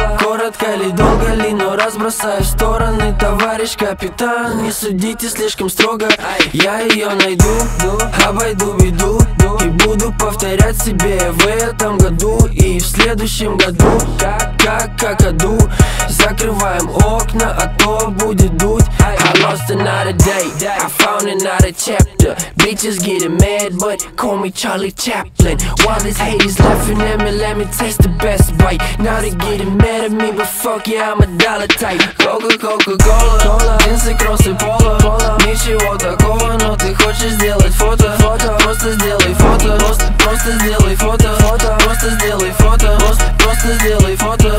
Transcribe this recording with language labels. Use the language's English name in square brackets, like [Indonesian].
[Russian] Коротко ли, долго ли, но разбросаю в стороны. Товарищ капитан, не судите слишком строго. Я ее найду, обойду беду. И буду повторять себе в этом году и в следующем году. Как аду, закрываем окна, а то будет дуть. [English] I lost another day, I found another chapter. Bitches getting mad, but call me Charlie Chaplin. While this hate is laughing at me, let me taste the best bite. Now they getting mad at me, but fuck yeah, I'm a dollar type. [Russian] Coca-Cola, jeans и кроссы пола. Ничего такого, но ты хочешь сделать фото. Просто сделай фото, просто сделай фото. Просто сделай фото, просто сделай фото.